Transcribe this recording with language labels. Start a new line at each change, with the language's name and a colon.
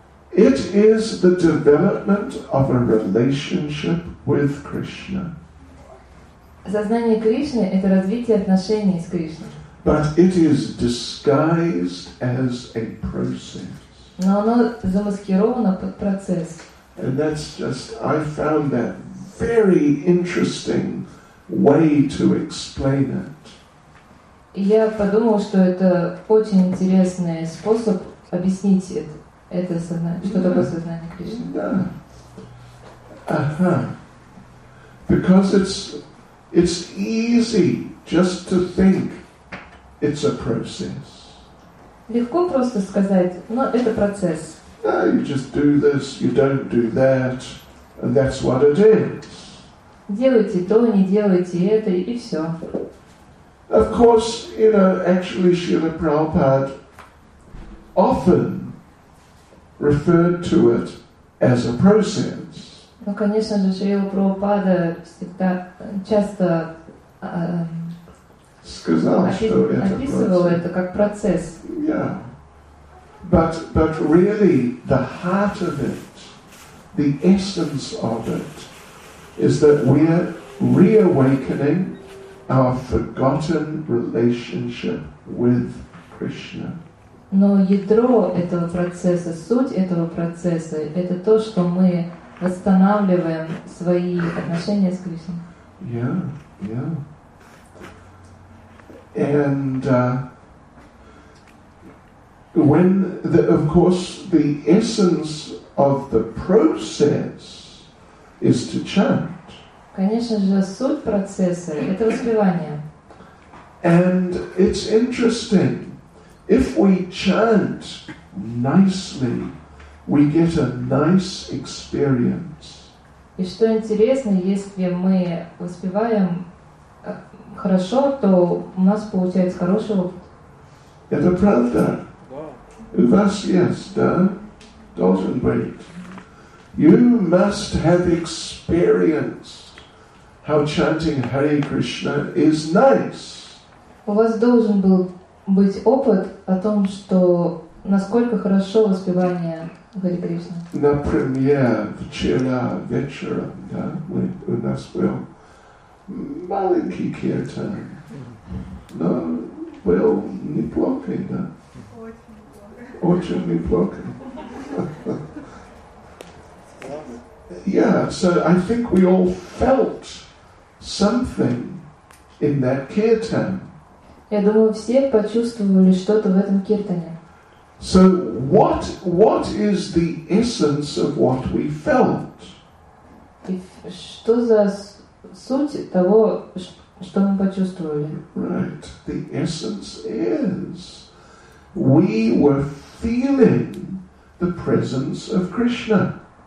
English: It is the development of a relationship with Krishna.
Russian: Сознание Кришны — это развитие отношений с Кришной.
English: But it is disguised as a process.
Russian: Но оно замаскировано под процесс.
English: And that's just, I found that very interesting way to explain it.
Russian: Я подумал, что это очень интересный способ объяснить это. Это сознание. Что такое сознание Кришны? Да. Ага.
English: Because it's easy just to think it's a process.
Russian: Легко просто сказать, но это процесс.
English: No, you just do this, you don't do that, and that's what it is.
Russian: Делайте то, не делайте это, и все.
English: Of course, you know, actually Srila Prabhupada often referred to it as a process.
Russian: Ну, конечно же, Шрила Прабхупада всегда часто сказал, описывал это как процесс.
English: Yeah. But really, the heart of it, the essence of it, is that we're reawakening our forgotten relationship with Krishna.
Russian: Но ядро этого процесса, суть этого процесса, это то, что мы восстанавливаем свои отношения с Кришной.
English: Yeah, yeah. And when, the, of course, the essence of the process is to chant.
Russian: Конечно же, суть процесса — это воспевание.
English: And it's interesting. If we chant nicely, we get a nice experience.
Russian: И что интересно, если мы воспеваем хорошо, то у нас получается хороший опыт. Это правда? У вас есть, да? Должен быть.
English: You must have experienced how chanting Hare Krishna is nice.
Russian: У вас должен был быть опыт о том, что насколько хорошо воспевание Хари Кришна. Например, вчера вечером, да, мы, у нас был маленький киртан, но был неплохой, да? Очень неплохой.
English: Yeah, so I think we all felt something in that киртан.
Russian: Я думаю, все почувствовали что-то в этом киртане.
English: So what is the essence of what we felt?
Russian: И что за суть того, что мы почувствовали?
English: Right. The essence is we were feeling the presence of Krishna.